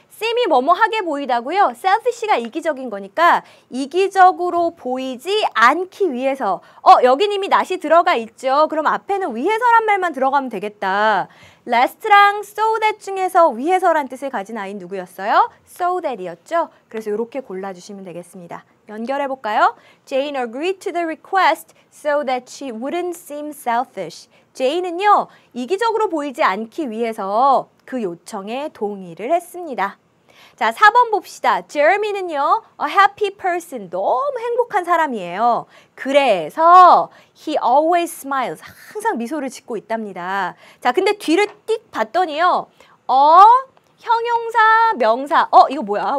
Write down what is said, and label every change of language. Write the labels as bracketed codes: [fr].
[ko] Seem이 뭐뭐하게 보이다고요? Selfish가 이기적인 거니까 이기적으로 보이지 않기 위해서. 여긴 이미 not이 들어가 있죠. 그럼 앞에는 위해서란 말만 들어가면 되겠다. Last랑 so that 중에서 위해서란 뜻을 가진 아이는 누구였어요? So that이었죠. 그래서 이렇게 골라주시면 되겠습니다. 연결해볼까요? [en] Jane agreed to the request so that she wouldn't seem selfish. [ko] Jane은요, 이기적으로 보이지 않기 위해서 그 요청에 동의를 했습니다. 자, 4번 봅시다. Jeremy는요, [en] a happy person. [ko] 너무 행복한 사람이에요. 그래서 [en] he always smiles. [ko] 항상 미소를 짓고 있답니다. 자, 근데 뒤를 띡 봤더니요, 형용사, 명사. 이거 뭐야?